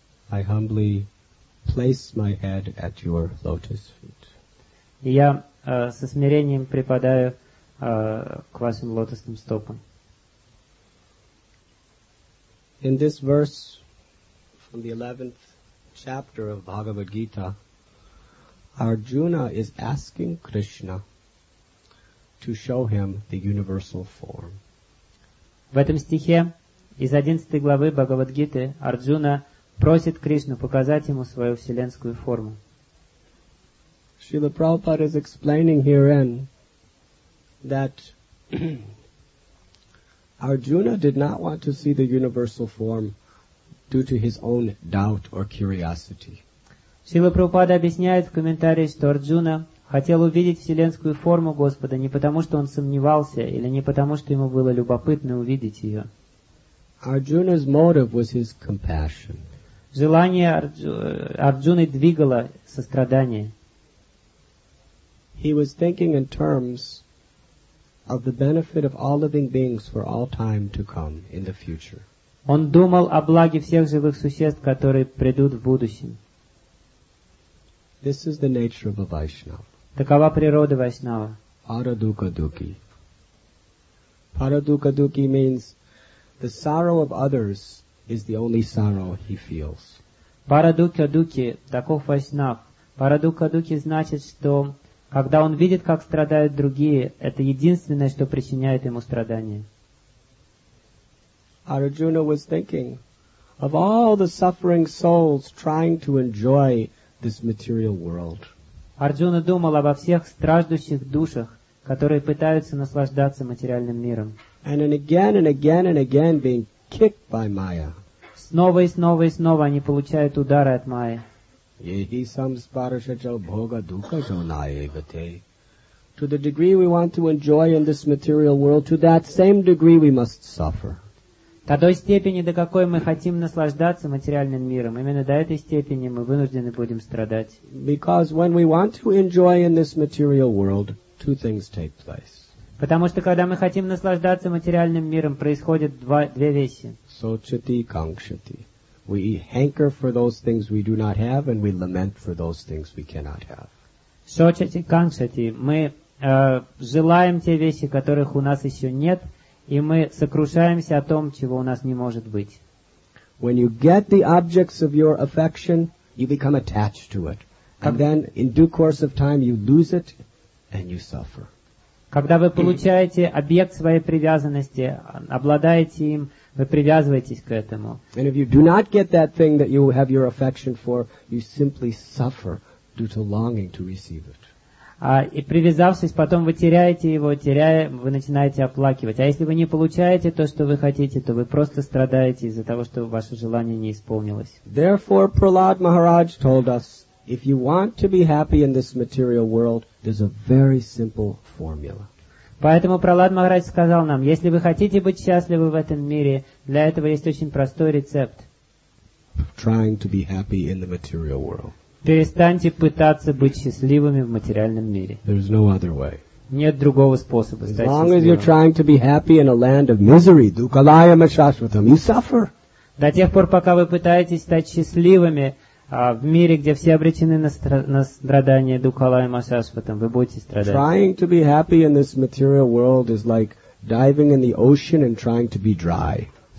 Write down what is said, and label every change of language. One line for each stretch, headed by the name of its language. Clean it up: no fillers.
English: I humbly place my head at your lotus feet.
Russian: Я со смирением припадаю к вашим лотосным стопам.
English: In this verse from the 11th chapter of Bhagavad Gita, Arjuna is asking Krishna to show him the universal form.
Russian: В этом стихе из 11 главы Бхагавад Гиты Арджуна просит Кришну показать ему свою вселенскую форму.
English: Srila Prabhupada is explaining herein that Arjuna did not want to see the universal form due to his own doubt or curiosity.
Russian: Srila Prabhupada объясняет в комментарии, что Арджуна хотел увидеть вселенскую форму Господа не потому, что он сомневался, или не потому, что ему было любопытно увидеть ее.
English: Arjuna's motive was his compassion.
Russian: Желание Арджуны двигало сострадание.
English: He was thinking in terms of the benefit of all living beings for all time to come in the future.
Russian: Он думал о благе всех живых существ, которые придут в будущем.
English: This is the nature of a Vaishnava.
Russian: Такова природа Вайшнава.
Sanskrit: Парадукадуки.
English: Парадукадуки means the sorrow of others is the only sorrow he feels.
Russian: Парадукадуки, таков Вайшнав. Парадукадуки значит, что когда он видит, как страдают другие, это единственное, что причиняет ему страдания.
English: Arjuna was thinking of all the suffering souls trying to enjoy this material world.
Russian: Арджуна думал обо всех страждущих душах, которые пытаются наслаждаться материальным миром.
English: And again being kicked by Maya.
Russian: Снова и снова и снова они получают удары от Майи.
Sanskrit: Yehi samsparshacha bhoga dukha janayegate.
English: To the degree we want to enjoy in this material world, to that same degree we must suffer.
Russian: До той степени, до какой мы хотим наслаждаться материальным миром, именно до этой степени мы вынуждены будем страдать.
English: Because when we want to enjoy in this material world, two things take place.
Russian: Потому что когда мы хотим наслаждаться материальным миром, происходят две вещи.
Sanskrit: Сочати и канкшати.
English: We hanker for those things we do not have, and we lament for those things we cannot have.
Sanskrit: Сочати и канкшати.
Russian: Мы желаем те вещи, которых у нас еще нет, и мы сокрушаемся о том, чего у нас не может быть.
English: When you get the objects of your affection, you become attached to it. And then, in due course of time, you lose it, and you suffer.
Russian: Когда вы получаете объект своей привязанности, обладаете им, вы привязываетесь к этому.
English: And if you do not get that thing that you have your affection for, you simply suffer due to longing to receive it.
Russian: И привязавшись, потом вы теряете его, теряя, вы начинаете оплакивать. А если вы не получаете то, что вы хотите, то вы просто страдаете из-за того, что ваше желание не исполнилось.
English: Therefore, Prahlad Maharaj told us, if you want to be happy in this material world, there's a very simple formula.
Russian: Поэтому Прохлад Махарадж сказал нам, если вы хотите быть счастливы в этом мире, для этого есть очень простой рецепт.
English: Trying to be happy in the material world.
Russian: Перестаньте пытаться быть счастливыми в материальном мире.
English: There's no other way.
Russian: Нет другого способа стать счастливым.
English: As long as you're trying to be happy in a land of misery,
Sanskrit: dukkhalayam ashashvatam,
English: you suffer.
Russian: До тех пор, пока вы пытаетесь стать счастливыми в мире, где все обречены на страдания
Sanskrit: Дукхала и Масашватам,
Russian: вы будете страдать.
English: Trying to be happy in this material world is like diving in the ocean and trying to be dry.